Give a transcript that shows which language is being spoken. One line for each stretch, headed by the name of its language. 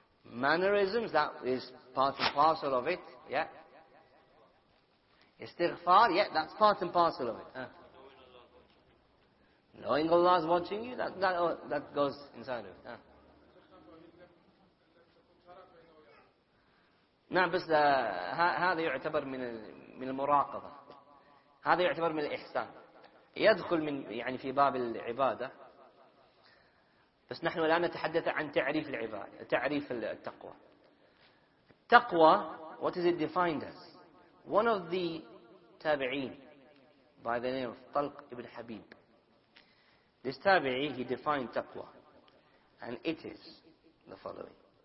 English: Mannerisms, that is part and parcel of it, yeah. Istighfar, yeah, that's part and parcel of it. Knowing Allah is watching you, that goes inside of it.
Arabic: نعم بس هذا يعتبر من المراقبة. هذا يعتبر من الإحسان. يدخل من يعني في باب العبادة. بس نحن الآن نتحدث عن تعريف العبادة, تعريف التقوى.
English: Taqwa, what is it defined as? One of the tabi'een by the name of Talq ibn Habib. This tabi'i, he defined taqwa. And it is the following.